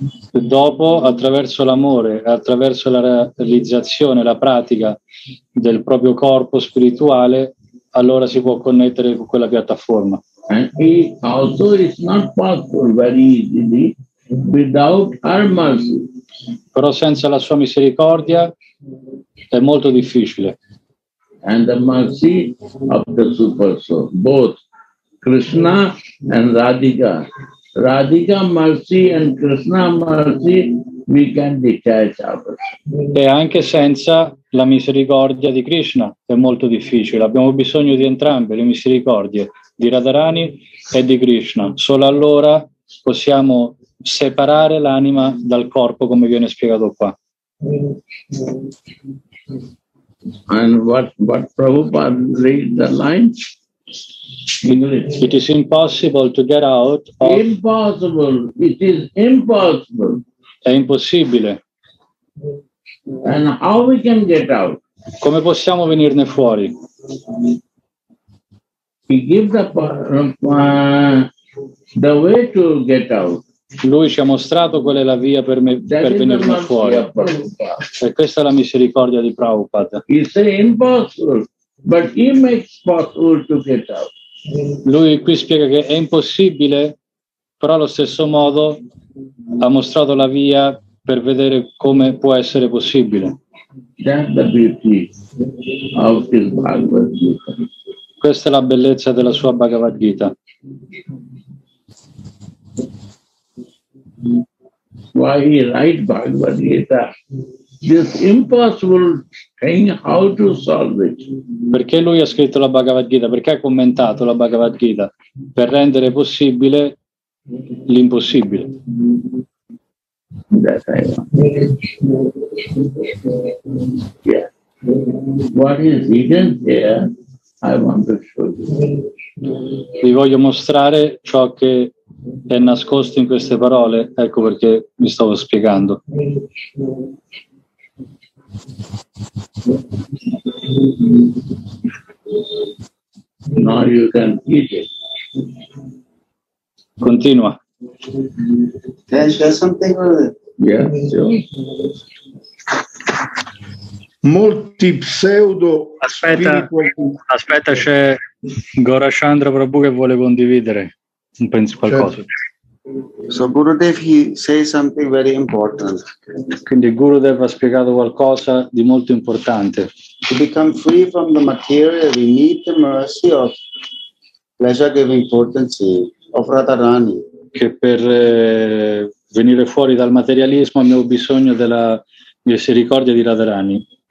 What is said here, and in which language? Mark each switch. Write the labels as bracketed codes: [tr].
[it] Dopo, attraverso l'amore, attraverso la realizzazione, la pratica del proprio corpo spirituale, allora si può connettere con quella piattaforma. [en] And he also is not possible very easily without her mercy. [it] Però senza la sua misericordia è molto difficile. [en] And the mercy of the super soul, both Krishna and Radhika. Radhika mercy and Krishna mercy, we can detach ourselves. [it] E anche senza la misericordia di Krishna è molto difficile. Abbiamo bisogno di entrambe le misericordie, di Radharani e di Krishna. Solo allora possiamo separare l'anima dal corpo, come viene spiegato qua. [en] And what Prabhupada read the line? English. It is impossible to get out of... Impossible. It is impossible. [it] È impossibile. [en] And how we can get out? [it] Come possiamo venirne fuori? [en] He gives the way to get out. [it] Lui ci ha mostrato qual è la via per me, per venirne fuori. E questa è la misericordia di Prabhupada. [en] He says impossible, but he makes possible to get out. [it] Lui qui spiega che è impossibile, però allo stesso modo ha mostrato la via per vedere come può essere possibile. [en] That's the beauty of his Bhagavad Gita. [it] Questa è la bellezza della sua Bhagavad Gita. [en] Why he write Bhagavad Gita? This impossible thing, how to solve it? [it] Perché lui ha scritto la Bhagavad Gita? Perché ha commentato la Bhagavad Gita? Per rendere possibile l'impossibile. [en] That I want. Yeah. What is hidden here, I want to show you. [it] Vi voglio mostrare ciò che è nascosto in queste parole, ecco perché mi stavo spiegando. [en] Now you can eat it. [it] Continua. [en] Can I share something with it? Yeah, sure. [it] Molti pseudo. Aspetta, spiritual... aspetta, c'è Gaurachandra Prabhu che vuole condividere un qualcosa. [en] So Gurudev, he say something very important. [it] Quindi Gurudev ha spiegato qualcosa di molto importante. [en] To become free from the material, we need the mercy of pleasure-giving potency of Radharani. [it] Che per venire fuori dal materialismo abbiamo bisogno della misericordia di Radharani.